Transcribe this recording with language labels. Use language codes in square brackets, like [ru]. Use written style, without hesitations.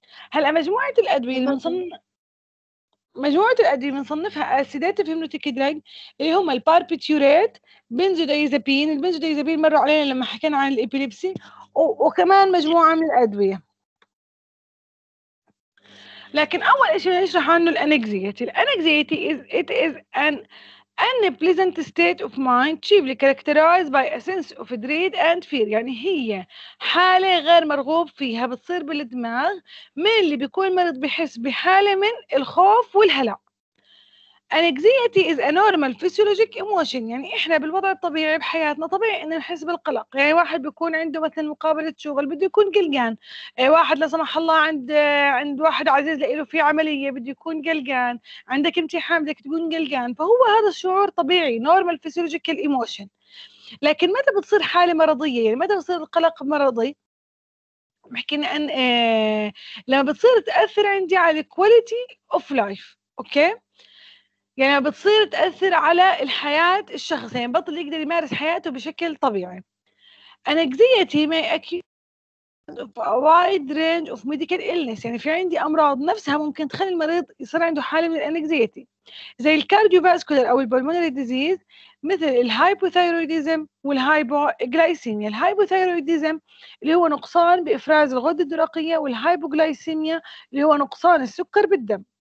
[ar] هلا مجموعة الأدوية اللي مجموعة الأدوية بنصنفها سيداتيف هيبنوتيك دراج، اللي هم الباربيتيوريت، بنزوديازيبين. البنزوديازيبين مر علينا لما حكينا عن الإبيليبسي، وكمان مجموعة من الأدوية. لكن أول إشي نشرح عنه الأنكزيتي. [en] الأنكزيتي is it is an unpleasant state of mind chiefly characterized by a sense of dread and fear. [ar] يعني هي حالة غير مرغوب فيها بتصير بالدماغ، من اللي بيكون المرض بيحس بحالة من الخوف والهلع. [en] Anxiety is a normal physiologic emotion. [ar] يعني إحنا بالوضع الطبيعي بحياتنا طبيعي إن نحس بالقلق. يعني واحد بيكون عنده مثلاً مقابلة شغل بده يكون قلقان، واحد لا سمح الله عند واحد عزيز لإله في عملية بده يكون قلقان، عندك امتحان بدك تكون قلقان. فهو هذا الشعور طبيعي، [en] normal physiological emotion. [ar] لكن متى بتصير حالة مرضية؟ يعني متى بتصير القلق مرضي؟ بحكينا أن لما بتصير تأثر عندي على [en] quality of life. [ar] أوكي؟ يعني بتصير تأثر على الحياة الشخصية، يعني بطل يقدر يمارس حياته بشكل طبيعي. [en] Anxiety may occur of a wide range of medical illness. [ar] يعني في عندي أمراض نفسها ممكن تخلي المريض يصير عنده حالة من Anxiety، زي الكارديوفاسكولار أو البولمونري ديزيز، مثل الهايبوثايرويديزم والهايبوغلايسيميا. الهايبوثايرويديزم اللي هو نقصان بإفراز الغدة الدرقية، والهايبوغلايسيميا اللي هو نقصان السكر بالدم.